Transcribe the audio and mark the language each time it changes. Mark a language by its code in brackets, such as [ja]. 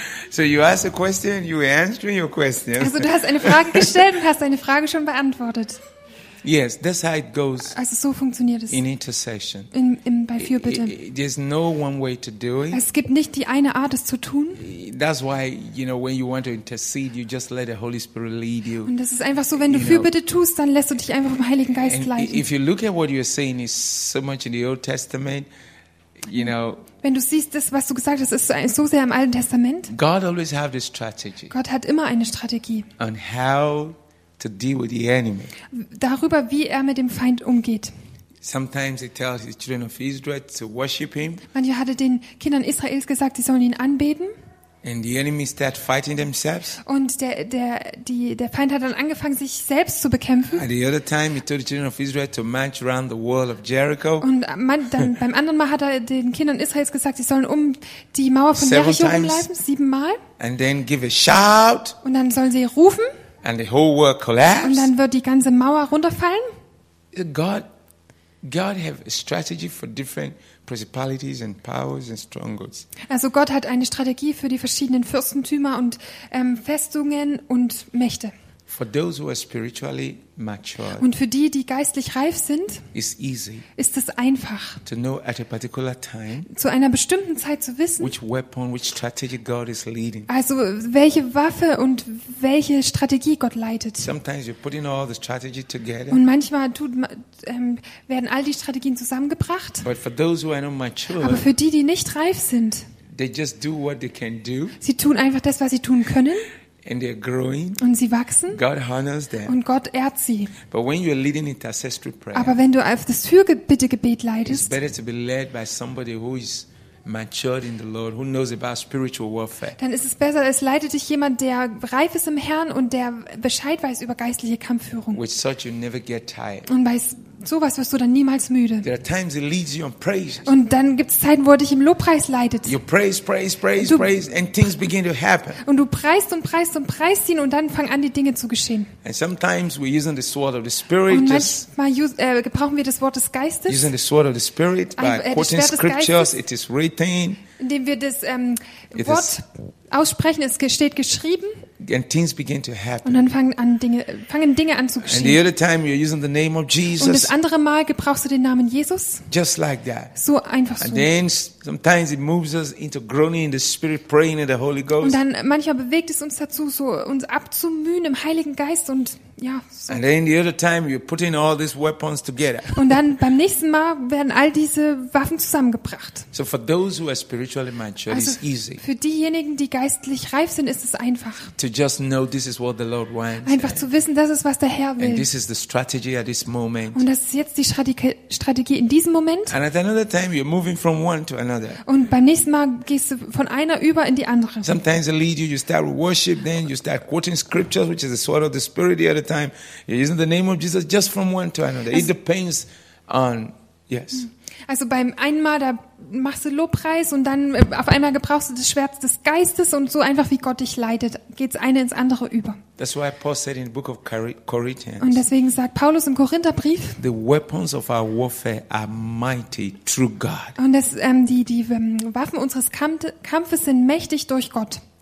[en] So you ask a question, you are answering your question. [de] Also du hast eine Frage gestellt und hast deine Frage schon beantwortet. [en] Yes, that's how it goes. [de] Also so funktioniert es. [en] In intercession. [de] In bei Fürbitte. [en] There's no one way to do it. [de] Es gibt nicht die eine Art, es zu tun. [en] That's why, you know, when you want to intercede, you just let the Holy Spirit lead you. [de] Und das ist einfach so, wenn du Fürbitte tust, dann lässt du dich einfach vom Heiligen Geist leiten. [en] If you look at what you're saying, is so much in the Old Testament, you know. [de] Wenn du siehst, das, was du gesagt hast, ist so sehr im Alten Testament. [en] God always have this strategy. [de] Gott hat immer eine Strategie. [en] On how to deal with the enemy. [de] Darüber, wie er mit dem Feind umgeht. [en] Sometimes he tells his children of Israel to worship him. [de] Manchmal hat er den Kindern Israels gesagt, sie sollen ihn anbeten. [en] And the enemy start fighting themselves. [de] Und der Feind hat dann angefangen, sich selbst zu bekämpfen. [en] And the other time he told the children of Israel to march around the wall of Jericho. [de] Und dann beim anderen Mal hat er den Kindern Israels gesagt, sie sollen um die Mauer von Jericho bleiben, 7 Mal. [en] And then give a shout. [de] Und dann sollen sie rufen. [en] And the whole wall collapsed. [de] Und dann wird die ganze Mauer runterfallen. [en] God have a strategy for different principalities and powers and strongholds. [de] Also Gott hat eine Strategie für die verschiedenen Fürstentümer und Festungen und Mächte. [en] For those who are spiritually mature. [de] Und für die, die geistlich reif sind, [en] is easy. [de] Ist es einfach. [en] To know at a particular time. [de] Zu einer bestimmten Zeit zu wissen. [en] Which weapon, which strategy God is leading. [de] Also welche Waffe und welche Strategie Gott leitet. [en] Sometimes you're putting all the strategy together. [de] Und manchmal werden all die Strategien zusammengebracht. [en] But for those who are not mature. [de] Aber für die, die nicht reif sind. [en] They just do what they can do. [de] Sie tun einfach das, was sie tun können. [en] And they're growing. [de] Und sie wachsen. [en] God honors them. [de] Und Gott ehrt sie. [en] But when you're leading intercessory prayer, [de] aber wenn du auf das Fürbittegebet leitest, [en] it's better to be led by somebody who is matured in the Lord, who knows about spiritual warfare. [de] Dann ist es besser, es leitet dich jemand, der reif ist im Herrn und der Bescheid weiß über geistliche Kampfführung. [en] With such you never get tired. [de] Und bei sowas wirst du dann niemals müde. [en] There are times it leads you on praise. [de] Und dann gibt es Zeiten, wo er dich im Lobpreis leitet. [en] You praise, and things begin to happen. [de] Und du preist ihn und dann fangen an, die Dinge zu geschehen. [en] And sometimes we using the sword of the Spirit. [de] Und manchmal gebrauchen wir das Wort des Geistes. [en] Using the sword of the Spirit by quoting scriptures, it is written. [de] Indem wir das Wort aussprechen, es steht geschrieben. [en] And things begin to happen. [de] Und dann fangen Dinge an zu geschehen. [en] And the other time you're using the name of Jesus. [de] Und das andere Mal gebrauchst du den Namen Jesus. [en] Just like that. [de] So einfach so. [en] And then sometimes it moves us into groaning in the Spirit, praying in the Holy Ghost. [de] Und dann manchmal bewegt es uns dazu, so uns abzumühen im Heiligen Geist und ja. [en] So. And then the other time you're putting all these weapons together. [de] Und dann beim nächsten Mal werden all diese Waffen zusammengebracht. [en] So for those who are spiritually mature, [de] also, [en] it's easy. [de] Für diejenigen, die geistlich reif sind, ist es einfach. [en] To just know this is what the Lord wants. [de] Einfach zu wissen, das ist, was der Herr will. [en] And this is the strategy at this moment. [de] Und das ist jetzt die Strategie in diesem Moment. [en] And at another time you're moving from one to another. [de] Und beim nächsten Mal gehst du von einer über in die andere. [en] Sometimes it leads you start with worship, then you start quoting scriptures, which is the sword of the Spirit. The other time you're using the name of Jesus, just from one to another. It depends on yes. [de] Also beim einen Mal da machst du Lobpreis und dann auf einmal gebrauchst du das Schwert des Geistes und so einfach wie Gott dich leitet, geht's eine ins andere über. [en] That's why Paul said in the book of Corinthians. [de] Und deswegen sagt Paulus im Korintherbrief. [en] The weapons of our warfare are mighty through God. [de] Und das die Waffen unseres Kampfes sind mächtig durch Gott.